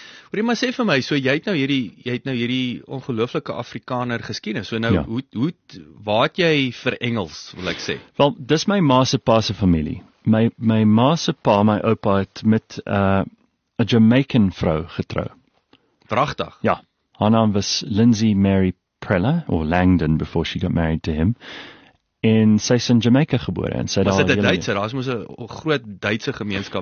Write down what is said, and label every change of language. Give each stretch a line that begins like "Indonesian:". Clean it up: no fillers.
Afrikaans: Hoorie, maar sê vir my, so jy het nou hierdie ongelooflike Afrikaner geskiedenis, so nou, ja. Waar het jy vir Engels, wil ek sê? Wel, dis my ma se pa se familie. My ma se pa, my opa, het met 'n Jamaican vrou getrou. Prachtig. Ja, haar naam was
English: Lindsay Mary Preller, or Langdon, before she got married to him.
Afrikaans: En sy is in Jamaica gebore. En sy was daar dit een Duitser? Daar is moes een groot Duitse gemeenskap.